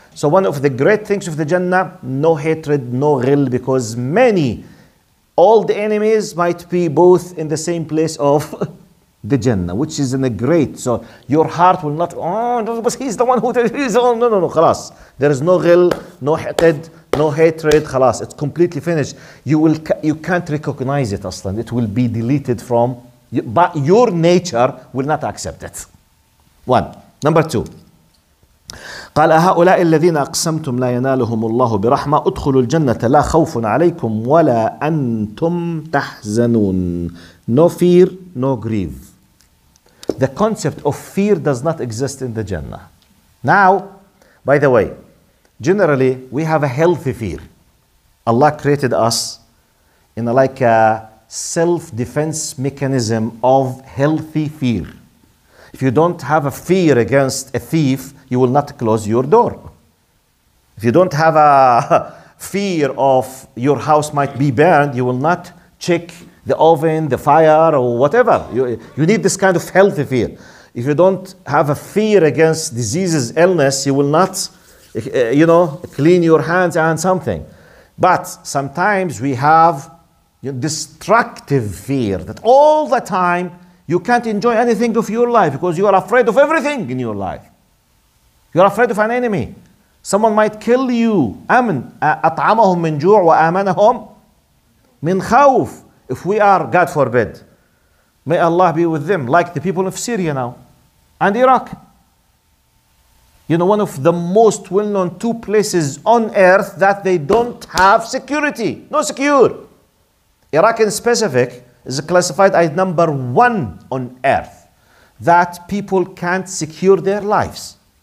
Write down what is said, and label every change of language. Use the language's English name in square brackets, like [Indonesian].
[English] So one of the great things of the Jannah, no hatred, no ghil, because many old enemies might be both in the same place of the Jannah, which is in a great, so your heart will not, oh, but he's the one who, he's, oh, no, no, no, khalas. There is no ghil, no hatred, no hatred, khalas. It's completely finished. You can't recognize it, aslan. It will be deleted from, but your nature will not accept it. One. Number two. [Arabic] قال هؤلاء الذين أقسمتم لا ينالهم الله برحمة ادخلوا الجنة لا خوف عليكم ولا أنتم تحزنون. [English] No fear, no grief. The concept of fear does not exist in the Jannah. Now, by the way, generally we have a healthy fear. Allah created us in a, like a self-defense mechanism of healthy fear. If you don't have a fear against a thief, you will not close your door. If you don't have a fear of your house might be burned, you will not check the oven, the fire, or whatever. You need this kind of healthy fear. If you don't have a fear against diseases, illness, you will not, you know, clean your hands and something. But sometimes we have destructive fear that all the time you can't enjoy anything of your life because you are afraid of everything in your life. You're afraid of an enemy. Someone might kill you. Amen. [Arabic] أطعمهم من جوع وآمنهم من خوف. [English] If we are, God forbid, may Allah be with them, like the people of Syria now and Iraq. You know, one of the most well-known two places on earth that they don't have security. No secure. Iraq in specific is classified as number one on earth that people can't secure their lives.